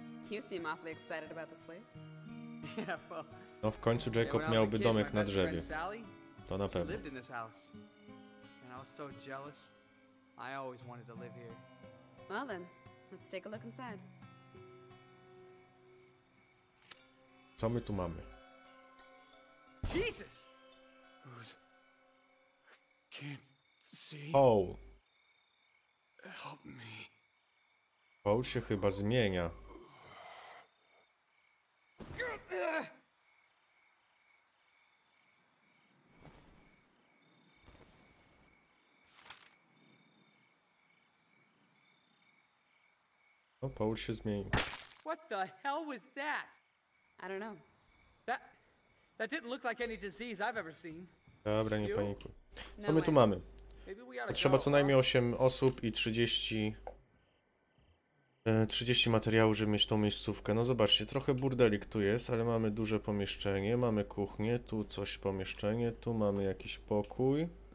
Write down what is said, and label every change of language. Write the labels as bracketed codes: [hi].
[en] You seem awfully excited about this place. [pl] No w końcu Jacob miałby domek na drzewie. To na pewno. [en] Lived in this house. And I was so jealous. I always wanted to live here. Well then, let's take a look inside. [pl] Co my tu mamy? [en] Jesus! Who's... I can't See? Paul. Help me. [pl] Paul się chyba zmienia. O, Paul się zmienił. [en] What the hell was that? I don't know. That didn't look like any disease I've ever seen. [pl] Dobra, nie panikuj. Co my tu mamy? Potrzeba co najmniej 8 osób i 30 materiału, żeby mieć tą miejscówkę. No zobaczcie, trochę burdelik tu jest, ale mamy duże pomieszczenie, mamy kuchnię, tu coś pomieszczenie, tu mamy jakiś pokój.